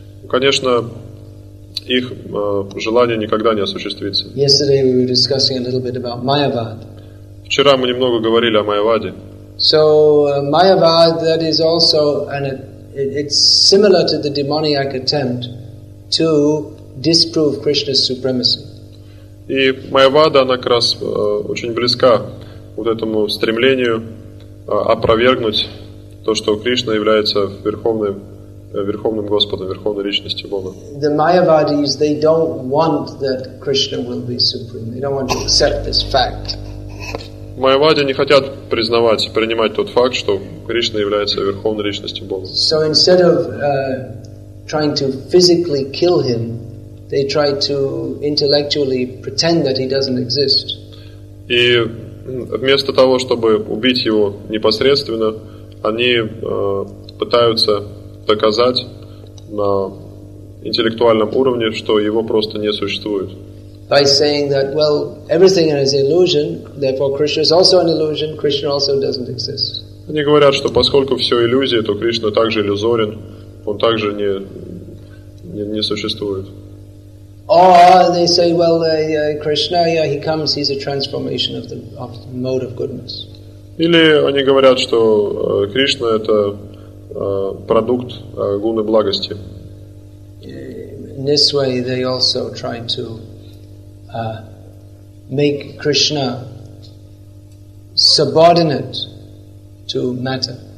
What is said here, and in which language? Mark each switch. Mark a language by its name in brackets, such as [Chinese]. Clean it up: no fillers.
[Russian] Конечно, их желание никогда не осуществится. [English] Yesterday we were discussing a little bit about Mayavad. [Russian] Вчера мы немного говорили о Майяваде. [English] So Mayavad, that is also it's similar to the demoniac attempt to disprove Krishna's supremacy. [Russian] И Майявада, она как раз очень близка вот этому стремлению опровергнуть то, что Кришна является верховным Господом, верховной личностью Бога. [English] The Mayavadis, they don't want that Krishna will be supreme. They don't want to accept this fact. [Russian] Майявади не хотят признавать, принимать тот факт, что Кришна является верховной личностью Бога. [English] So instead of trying to physically kill him, they try to intellectually pretend that he doesn't exist. [Russian] И вместо того, чтобы убить его непосредственно, они пытаются доказать на интеллектуальном уровне, что его просто не существует. [English] By saying that, well, everything is illusion, therefore Krishna is also an illusion, Krishna also doesn't exist. [Russian] Они говорят, что поскольку все иллюзия, то Кришна также иллюзорен, он также не существует. [English] Or they say, well, Krishna, yeah, he comes, he's a transformation of the mode of goodness. [Russian] Или они говорят, что Кришна это продукт гуны благости. [English] In this way, they also try to make Krishna subordinate to matter.